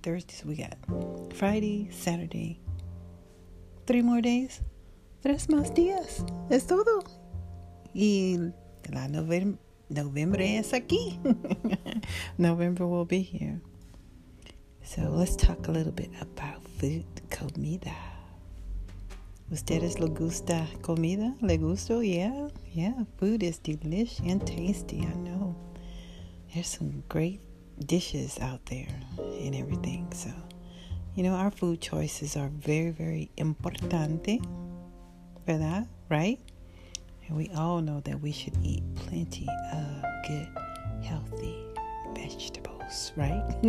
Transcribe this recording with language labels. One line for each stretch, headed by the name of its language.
English: Thursday. So we got Friday, Saturday. 3 more days.
Spanish: tres más días. Es todo. Y la November es aquí.
English: November will be here. So let's talk a little bit about food, comida.
Spanish: ¿Ustedes le gusta comida? ¿Le gusto?
English: Yeah, yeah. Food is delicious and tasty, I know. There's some great dishes out there and everything. So, you know, our food choices are very, very importante. ¿Verdad? Right? And we all know that we should eat plenty of good, healthy vegetables, right?